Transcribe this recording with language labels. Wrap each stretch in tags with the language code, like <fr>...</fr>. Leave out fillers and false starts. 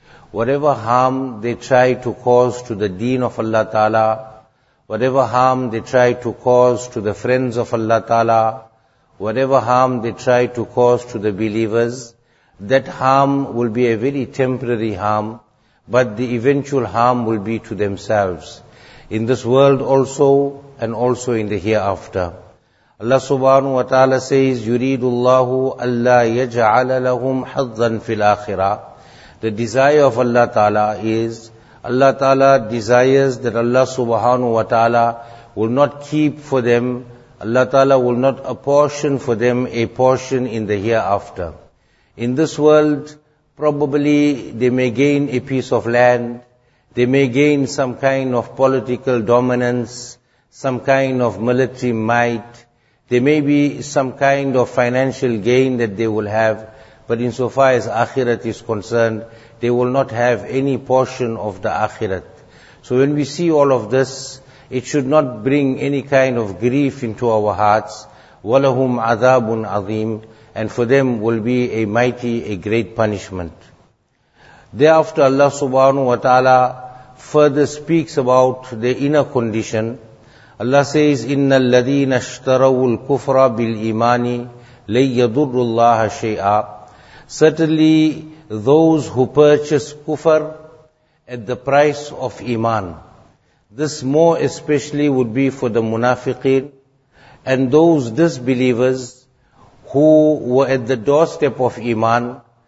<en>Whatever harm they try to cause to the deen of Allah ta'ala, whatever harm they try to cause to the friends of Allah Ta'ala, whatever harm they try to cause to the believers, that harm will be a very temporary harm, but the eventual harm will be to themselves, in this world also, and also in the hereafter. Allah Subhanahu wa Ta'ala says,</en> <ar>يُرِيدُ اللَّهُ أَلَّا يَجْعَلَ لَهُمْ حَظًّا فِي الْآخِرَةِ.</ar> <en>The desire of Allah Ta'ala is, Allah Ta'ala desires that Allah Subhanahu wa Ta'ala will not keep for them, Allah Ta'ala will not apportion for them a portion in the hereafter. In this world, probably they may gain a piece of land, they may gain some kind of political dominance, some kind of military might, there may be some kind of financial gain that they will have, but insofar as akhirat is concerned, they will not have any portion of the akhirat. So when we see all of this, it should not bring any kind of grief into our hearts.</en> <ar>وَلَهُمْ عَذَابٌ عَظِيمٌ.</ar> <en>And for them will be a great punishment. Thereafter Allah subhanahu wa ta'ala further speaks about the inner condition. Allah says,</en> <ar>إِنَّ الَّذِينَ اشْتَرَوُوا الْكُفْرَ بِالْإِيمَانِ لَيَّضُرُّ اللَّهَ شَيْئًا.</ar> <en>Certainly, those who purchase kufr at the price of iman. This more especially would be for the munafiqeen and those disbelievers who were at the doorstep of iman.</en>